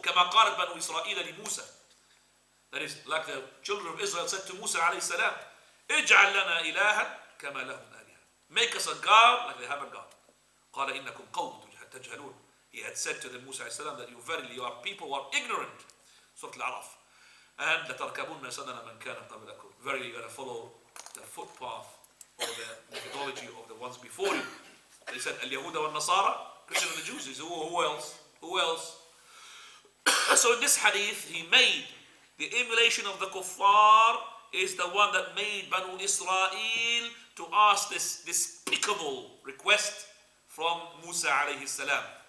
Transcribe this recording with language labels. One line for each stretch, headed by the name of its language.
Arabic: كَمَا قَالَتْ بَنُوا إِسْرَائِيلَ لِمُوسَى.
English: That is, like the children of Israel said to Musa alayhi salam,
Arabic: اِجْعَلْ لَنَا إِلَهًا كَمَا لَهُمْ آلِهًا.
English: Make us a god like they have a god.
Arabic: قَالَ إِنَّكُمْ قَوْمٌ تَجْهَلُونَ.
English: He had said to them, Musa alayhi salam, that you verily are people who are ignorant. Surah Al-Araf.
Arabic: And لَتَرْكَبُونَ سَنَنَا مَنْ كَانَ قَبْلَكُمْ.
English: Verily you're going to follow the footpath or the methodology of the ones before you. They said, Al-Yahuda wal-Nasara, Christian and the Jews. He said, who else? So in this hadith, he made the emulation of the kuffar is the one that made Banu Israel to ask this despicable request from Musa alayhi salam.